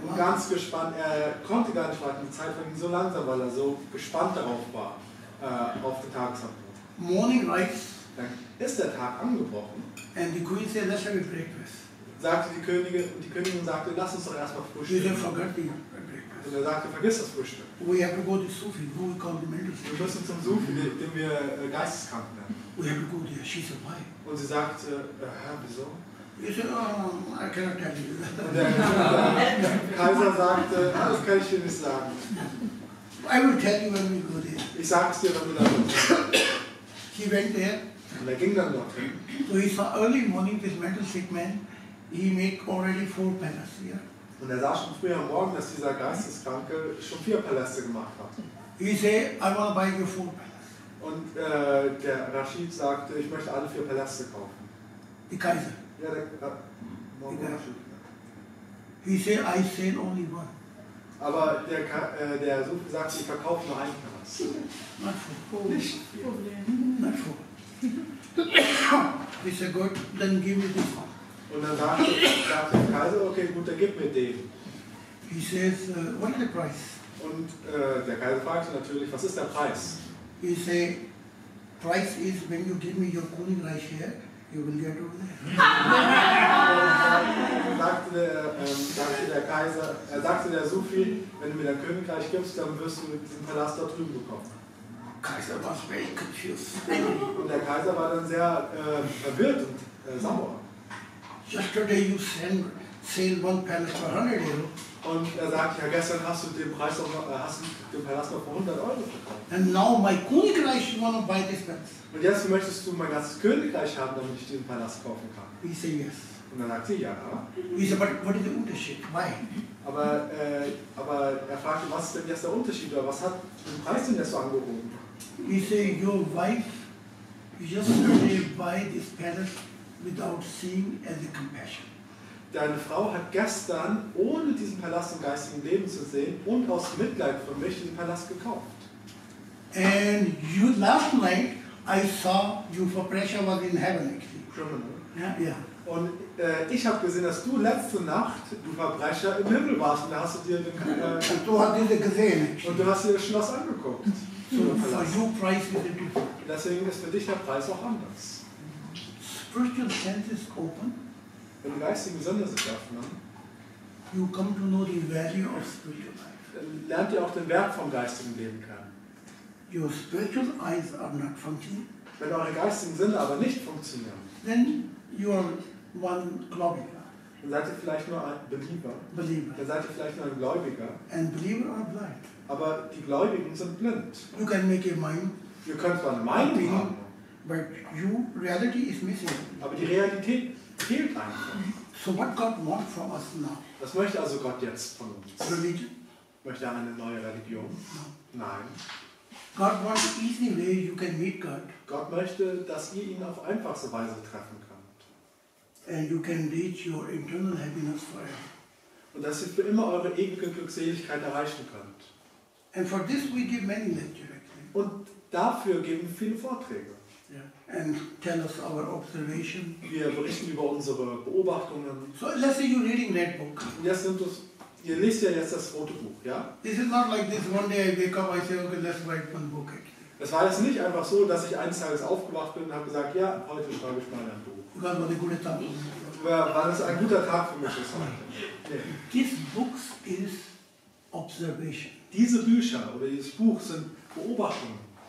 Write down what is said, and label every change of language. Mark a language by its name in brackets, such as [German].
[German] Und ganz gespannt, er konnte gar nicht warten, die Zeit verging so langsam, weil er so gespannt darauf war, auf den Tagesanbruch. [English] Morning lights. [German] Dann ist der Tag angebrochen. [English] And the queen said, let's have a breakfast. [German] Sagte die Königin, und die Königin sagte, lass uns doch erstmal frühstücken. Und er sagte, vergiss das Frühstück. [English] We have to go to Sufi, who we call the mental [German] Sufi. Wir müssen zum Sufi, den wir geisteskrank nennen. [English] We have to go there, she's away. [German] Und sie sagte, wieso? [English] He said, oh, I cannot tell you. [German] Kaiser sagte, das kann ich dir nicht sagen. [English] I will tell you when we go there. [German] Ich sag's dir, wenn wir da sind. [English] He went there. [German] Und er ging dann dorthin. [English] So he saw early morning this mental sick man. He made already 4 palaces, yeah? [German] Und er sah schon früher am Morgen, dass dieser Geisteskranke schon 4 Paläste gemacht hat. [English] He said, I want to buy you 4 palaces. [German] Und der Rashid sagte, ich möchte alle 4 Paläste kaufen. Die Kaiser. Ja, der [English] Rashid. He said, I sell only one. [German] Aber der Such sagte, ich verkaufe nur einen Palast. [English] Not for. [German] Nicht [English] for. Not for. He said, good, then give me this one. [German] Und dann sagte der Kaiser, okay, gut, dann gib mir den. [English] He says, what is the price? [German] Und der Kaiser fragte natürlich, was ist der Preis? [English] He say, price is when you give me your Königreich here, you will get over there. [German] sagte der Sufi, wenn du mir dein Königreich gibst, dann wirst du mit dem Palast dort drüben bekommen. [English] Kaiser was very confused. [German] Und der Kaiser war dann sehr verwirrt und sauer. [English] Yesterday you sell one palace for 100 euro. [German] Und er sagt, ja, gestern hast du den Preis noch, hast du den Palast noch für 100 Euro bekommen. [English] And now my Königreich, you want to buy this palace. [German] Und jetzt möchtest du mein ganzes Königreich haben, damit ich den Palast kaufen kann. [English] He said yes. [German] Und dann sagt sie, ja. [English] He said, but what is the Unterschied? Why? [German] Aber er fragt, was ist denn jetzt der Unterschied? Oder was hat den Preis denn jetzt so angehoben? [English] He said, your wife yesterday buy this palace without seeing as a compassion. [German] Deine Frau hat gestern, ohne diesen Palast im geistigen Leben zu sehen und aus Mitleid für mich, diesen Palast gekauft. [English] And you, last night I saw you for pressure was in heaven actually. Criminal. Yeah, yeah. [German] Und ich habe gesehen, dass du letzte Nacht, du Verbrecher, im Himmel warst und da hast du dir den gesehen. Und du hast dir das Schloss angeguckt. [English] So your price is different. [German] Deswegen ist für dich der Preis auch anders. [English] Spiritual senses open. [German] Wenn du geistige Sinne sich öffnen, [English] you come to know the value of spiritual life. [German] Lernt ihr auch den Wert vom geistigen Leben kennen. [English] Your spiritual eyes are not functioning. [German] Wenn eure geistigen Sinne aber nicht funktionieren, [English] then you are one Gläubiger. [German] Dann seid ihr vielleicht nur ein Believer. [English] Believer. [German] Dann seid ihr vielleicht nur ein Gläubiger. [English] And believers are blind. [German] Aber die Gläubigen sind blind. [English] You can make your mind. [German] Ihr könnt zwar eine Meinung haben, [English] but your reality is missing. [German] Aber die Realität fehlt einfach. [English] So what God wants from us now? [German] Was möchte also Gott jetzt von uns? [English] Religion. [German] Möchte er eine neue Religion? [English] No. [German] Nein. [English] God wants an easy way you can meet God. [German] Gott möchte, dass ihr ihn auf einfachste Weise treffen könnt. [English] And you can reach your internal happiness forever. [German] Und dass ihr für immer eure ewige Glückseligkeit erreichen könnt. [English] And for this we give many lectures. [German] Und dafür geben wir viele Vorträge. [English] Yeah. And tell us our observation. [German] Wir berichten über unsere Beobachtungen. [English] So let's say you're reading that book. [German] Jetzt sind das, ihr lest ja jetzt das rote Buch, ja? [English] This is not like this one day I wake up, I say, okay, let's write one book. [German] Es war jetzt nicht einfach so, dass ich eines Tages aufgewacht bin und habe gesagt, ja, heute schreibe ich mal ein Buch. Weil es gute Tag war. Weil es ein guter Tag für mich ist. Heute. [English] This book is observation. [German] Diese Bücher oder dieses Buch sind Beobachtungen.